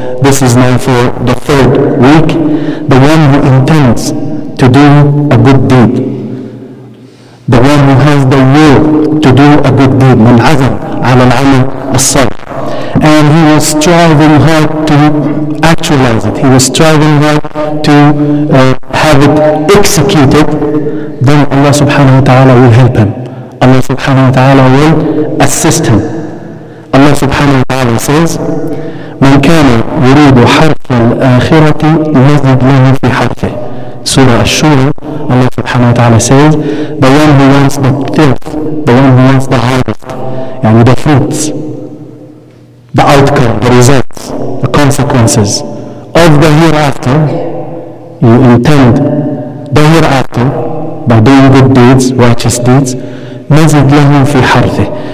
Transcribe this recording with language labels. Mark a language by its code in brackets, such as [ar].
[en] This is now for the third week. The one who intends to do a good deed, the one who has the will to do a good deed, [ar] من عزم على العمل الصالح, [en] and he was striving hard to actualize it, he was striving hard to have it executed, then Allah subhanahu wa ta'ala will help him. Allah subhanahu wa ta'ala will assist him. Allah subhanahu wa ta'ala says, [ar] من كان يريد حرف الآخرة يزد له في حرفه. [en] Surah Ash-Shura, Allah subhanahu wa ta'ala says, the one who wants the tilth, the one who wants the harvest, and the fruits, the outcome, the results, the consequences of the hereafter, you intend the hereafter by doing good deeds, righteous deeds, [ar] نزد له في حرثه.